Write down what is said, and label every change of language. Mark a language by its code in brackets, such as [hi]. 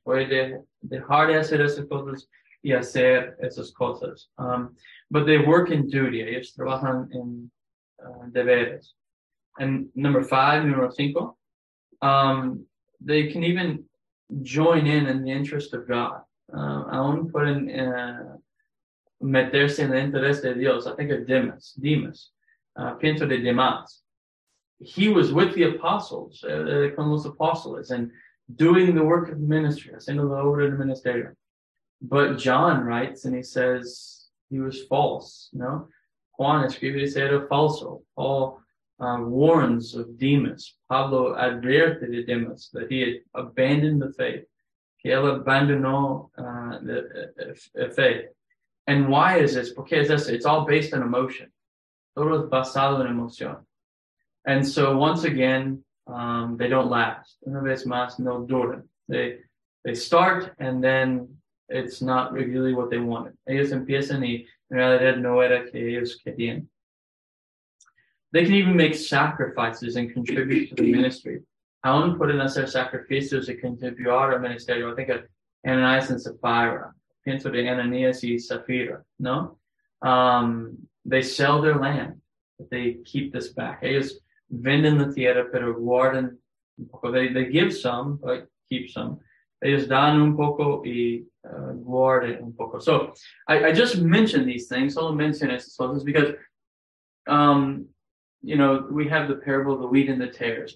[es] Voy a dejar de hacer esas cosas y hacer esas cosas. [en] But they work in duty. [es] Ellos trabajan en deberes. [en] And number cinco, they can even join in the interest of God. [es] Aún pueden meterse en el interés de Dios. [en] I think of Demas. [es] Pienso de Demas. [en] He was with the apostles, [es] con los apóstoles, [en] and doing the work of ministry, [es] haciendo la obra del ministerio. [en] But John writes, and he says he was false. [es] No, Juan escribe y dice era falso. [en] Paul warns of Demas. [es] Pablo advierte de Demas [en] that he had abandoned the faith. [es] Que él abandonó la fe. [en] And why is this? [es] Porque es eso. [en] It's all based on emotion. [es] Todo es basado en emoción. [en] And so once again, they don't last. [es] Una vez más, no duran. [en] They start and then it's not really what they wanted. [es] Ellos empiezan y en realidad no era que ellos querían. [en] They can even make sacrifices and contribute to the ministry. [es] Aún pueden hacer sacrificios y contribuir al ministerio. [en] I think of Ananias and Sapphira. [es] Pienso de Ananias y Sapphira, no? [en] They sell their land, but they keep this back. [es] Ellos venden la tierra, pero guardan un poco. [en] They give some, but keep some. [es] Ellos dan un poco y guardan un poco. [en] So I just mentioned these things. I'll mention it because, you know, we have the parable of the wheat and the tares.